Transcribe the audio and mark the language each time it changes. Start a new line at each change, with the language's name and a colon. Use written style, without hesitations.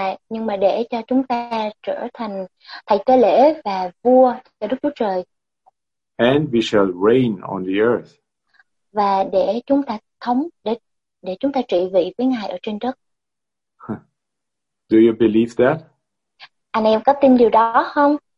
Vietnamese: Nhưng mà để cho chúng ta trở thành thầy tế lễ và vua cho Đức Chúa Trời.
English: And we shall reign on the earth.
Vietnamese: Và để chúng ta thống, để chúng ta trị vì với Ngài ở trên đất.
English: Do you believe that?
Vietnamese: Anh em có tin điều đó không?